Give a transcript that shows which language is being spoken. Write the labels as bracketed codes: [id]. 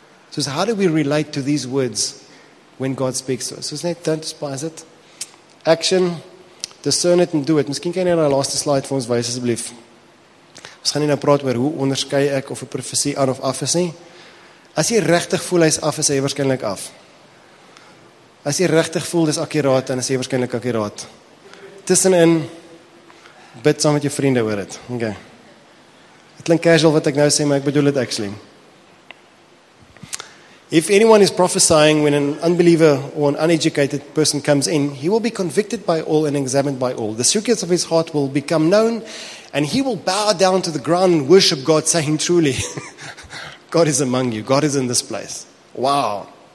[en] Soos, how do we relate to these words, when God speaks to us? Soos net, don't despise it. Action, discern it and do it. [af] Misschien kan jy na die laaste slide vir ons wees, asseblief. Ons gaan nie nou praat oor, hoe onderskei ek, of 'n profesie aan of af is nie. As jy regtig voel, hy is af, is hy waarskynlik af. As jy regtig voel, dis akkuraat, dan is hy waarskynlik akkuraat. Tussenin, bid saam met jou vriende oor dit. Okay. Het klink casual wat ek nou sê, maar ek bedoel dit actually. [en] If anyone is prophesying when an unbeliever or an uneducated person comes in, he will be convicted by all and examined by all. The secrets of his heart will become known and he will bow down to the ground and worship God saying truly, God is among you, God is in this place. Wow.